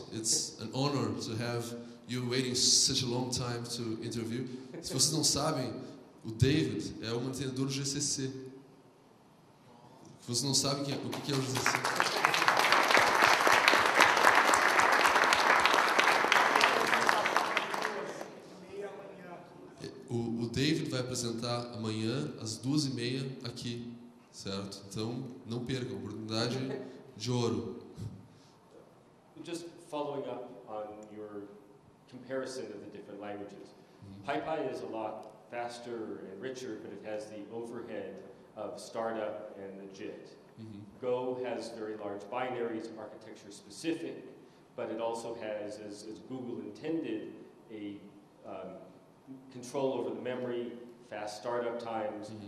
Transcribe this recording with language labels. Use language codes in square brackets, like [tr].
[en] It's an honor to have you waiting such a long time to interview. [pt] Se vocês não sabem, o David é o mantenedor do GCC. Se vocês não sabem o que é o GCC. O David vai apresentar amanhã às 14h30 aqui, certo? Então, não perca a oportunidade de ouro. [en] Just following up on your comparison of the different languages. PyPy is a lot faster and richer, but it has the overhead of startup and the JIT. Go has very large binaries, architecture specific, but it also has, as Google intended, a control over the memory, fast startup times.